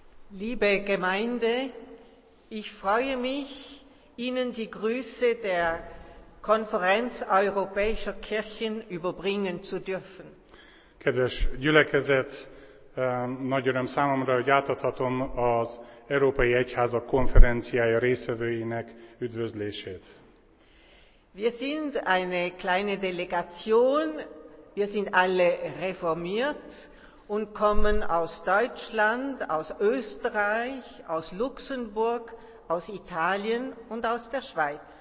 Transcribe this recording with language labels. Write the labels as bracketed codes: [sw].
[de] Liebe Gemeinde, ich freue mich, Ihnen die Grüße der Konferenz Europäischer Kirchen überbringen zu dürfen. [hu] Kedves gyülekezet, nagy öröm számomra, hogy átadhatom az Európai Egyházak konferenciája részvevőinek üdvözlését. [de] Wir sind eine kleine Delegation, wir sind alle reformiert und kommen aus Deutschland, aus Österreich, aus Luxemburg, aus Italien und aus der Schweiz.